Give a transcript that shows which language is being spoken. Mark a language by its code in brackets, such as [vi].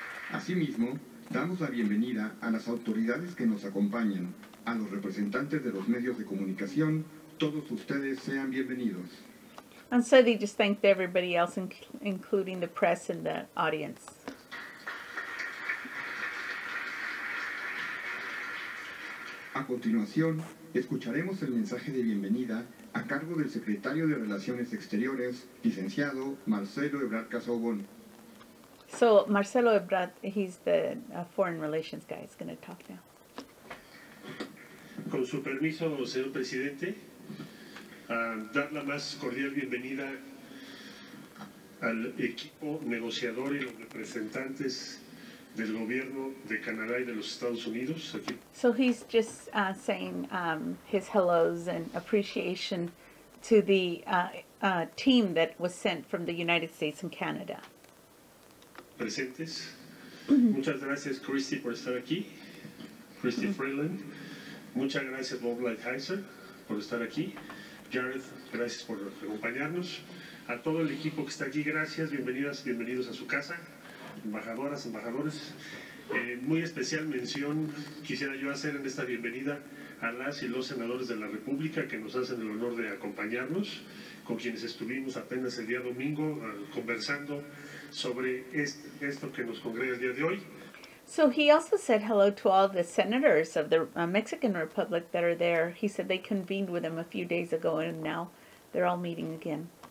[es] Asimismo, damos la bienvenida a las autoridades que nos acompañan, a los representantes de los medios de comunicación, todos ustedes sean bienvenidos. [en] And so they just thanked everybody else, including the press and the audience. [es] A continuación, escucharemos el mensaje de bienvenida a cargo del secretario de Relaciones Exteriores, licenciado Marcelo Ebrard Casaubon. [en] So, Marcelo Ebrard, he's the foreign relations guy, is going to talk now. [es] Con su permiso, señor presidente, dar la más cordial bienvenida al equipo negociador y los representantes del gobierno de Canadá y de los Estados Unidos. Aquí. [en] So he's just saying his hellos and appreciation to the team that was sent from the United States and Canada. [es] Presentes. Muchas gracias, Christy, por estar aquí. Christy Freeland. Muchas gracias, Bob Lighthizer, por estar aquí. Jared, gracias por acompañarnos. A todo el equipo que está aquí, gracias. Bienvenidas, bienvenidos a su casa. Embajadoras, embajadores. Muy especial mención quisiera yo hacer en esta bienvenida a las y los senadores de la República que nos hacen el honor de acompañarnos, con quienes estuvimos apenas el día domingo conversando sobre esto que nos congrega el día de hoy. [en] So he also said hello to all the senators of the Mexican Republic that are there. He said they convened with him a few days ago and now they're all meeting again.